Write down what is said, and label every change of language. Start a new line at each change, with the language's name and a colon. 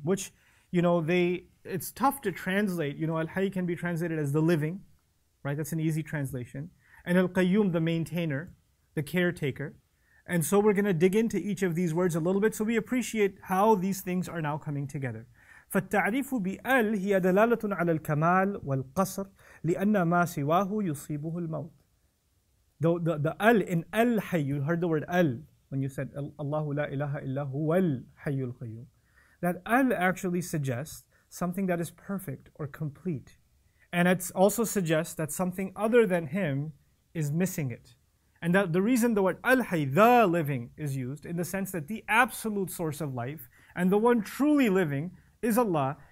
English: Which, you know, it's tough to translate. You know, Al-Hayy can be translated as the living, right? That's an easy translation. And Al-Qayyum, the maintainer, the caretaker. And so we're going to dig into each of these words a little bit so we appreciate how these things are now coming together.
Arabic: فالتعريف بأل هي دلالة على الكمال والقصر لأن ما سواه يصيبه الموت.
English: The أل in أل حي, you heard the word أل when you said
Arabic: الله لا إله إلا هو الحي القيوم.
English: That أل actually suggests something that is perfect or complete. And it also suggests that something other than Him is missing it. And that the reason the word أل حي, the living, is used in the sense that the absolute source of life and the one truly living is Allah.